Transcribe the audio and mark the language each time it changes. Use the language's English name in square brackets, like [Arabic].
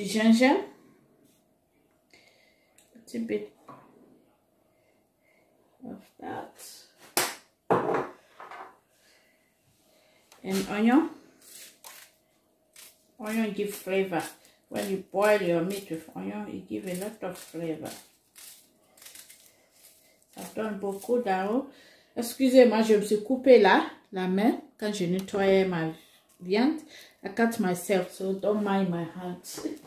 [English] And the ginger, a little bit of that, and onion give flavor. When you boil your meat with onion, it gives a lot of flavor. [French] Ça donne beaucoup d'arôme. Excusez-moi, je me suis coupé là, la main, quand je nettoyais ma viande. [English] I cut myself, so don't mind my hands.